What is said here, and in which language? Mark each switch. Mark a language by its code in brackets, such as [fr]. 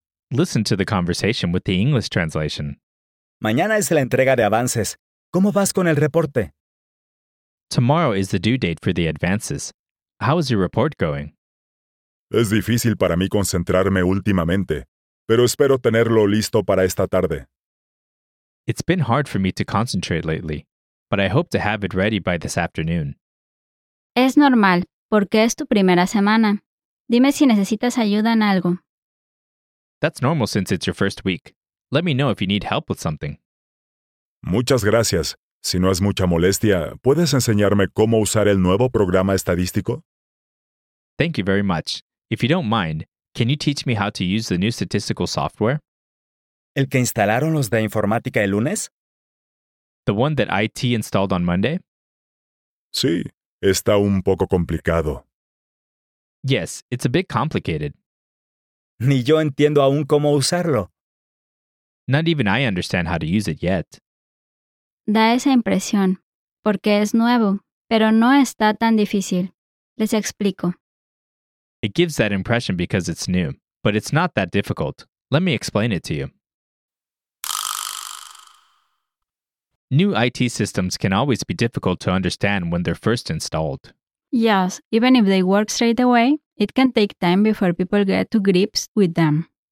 [en] Listen to the conversation with the English translation. [es] Mañana es la entrega de avances. ¿Cómo vas con el reporte? [en] Tomorrow is the due date for the advances. How is your report going? [es] Es difícil para mí concentrarme últimamente, pero espero tenerlo listo para esta tarde. [en] It's been hard for me to concentrate lately, but I hope to have it ready by this afternoon. [es] Es normal, porque es tu primera semana. Dime si necesitas ayuda en algo. [en] That's normal since it's your first week. Let me know if you need help with something. [es] Muchas gracias. Si no es mucha molestia, ¿puedes enseñarme cómo usar el nuevo programa estadístico? [en] Thank you very much. If you don't mind, can you teach me how to use the new statistical software? [es] ¿El que instalaron los de informática el lunes? [en] The one that IT installed on Monday? [es] Sí. Está un poco complicado. [en] Yes, it's a bit complicated. [es] Ni yo entiendo aún cómo usarlo. [en] Not even I understand how to use it yet. [es] Da esa impresión, porque es nuevo, pero no está tan difícil. Les explico. [en] It gives that impression because it's new, but it's not that difficult. Let me explain it to you. New IT systems can always be difficult to understand when they're first installed. Yes, even if they work straight away, it can take time before people get to grips with them.